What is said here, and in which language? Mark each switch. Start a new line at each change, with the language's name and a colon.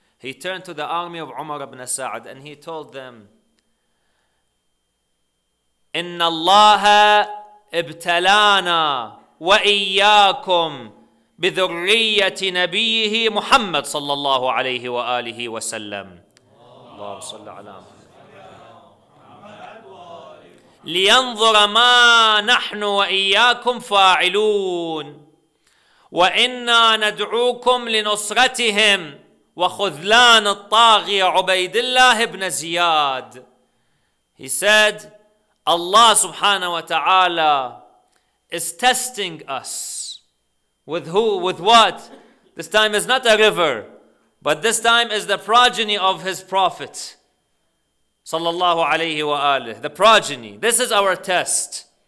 English: He turned to the army of Umar ibn Sa'd and he told them,
Arabic: إِنَّ اللَّهَ ابْتَلَانَا وَإِيَّاكُمْ بِذُرِّيَّةِ نَبِيِّهِ مُحَمَّدٍ صلى الله عليه وآله وسلم. اللهم صل على لينظر ما نحن وإياكم فاعلون وإنا ندعوكم لنصرتهم وخذلان الطاغية عبيد الله بن زياد.
English: He said, Allah subhanahu wa ta'ala is testing us. With who? With what? This time is not a river, but this time is the progeny of his prophet. Sallallahu alayhi wa alihi, the progeny. This is our test.